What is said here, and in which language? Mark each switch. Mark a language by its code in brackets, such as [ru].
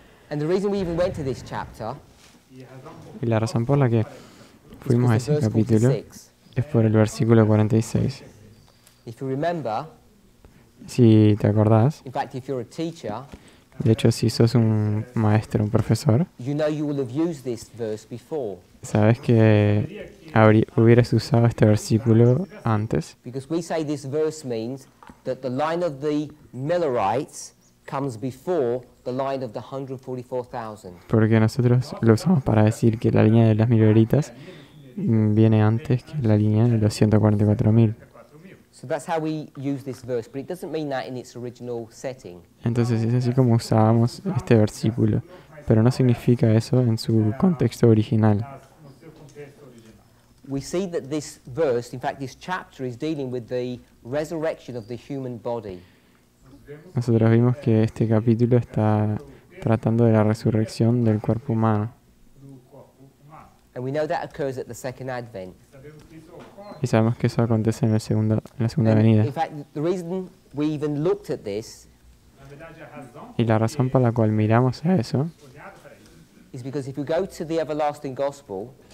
[en] And the reason we even went to this chapter. [es] Y la razón por la que fuimos a ese capítulo es por el versículo 46. [en] If you remember, [es] si te acordás, [en] in fact, if you're a teacher, [es] de hecho, si sos un maestro, un profesor, [en] you know you will have used this verse before. [es] Sabes que hubieras usado este versículo antes. [en] Because we say this verse means that the line of the Millerites comes before the line of the 144,000. [es] Porque nosotros lo usamos para decir que la línea de las Milleritas viene antes que la línea de los 144,000. [en] So that's how we use this verse, but it doesn't mean that in its original setting. [es] Entonces es así como usábamos este versículo, pero no significa eso en su contexto original. [en] We see that this verse, in fact this chapter, is dealing with the resurrection of the human body. [es] Nosotros vimos que este capítulo está tratando de la resurrección del cuerpo humano. [en] And we know that occurs at the second advent. [es] Y sabemos que eso acontece en la segunda venida. [en] In fact, the reason we even looked at this, [es] y la razón por la cual miramos a eso [en] is because if you go to the everlasting gospel,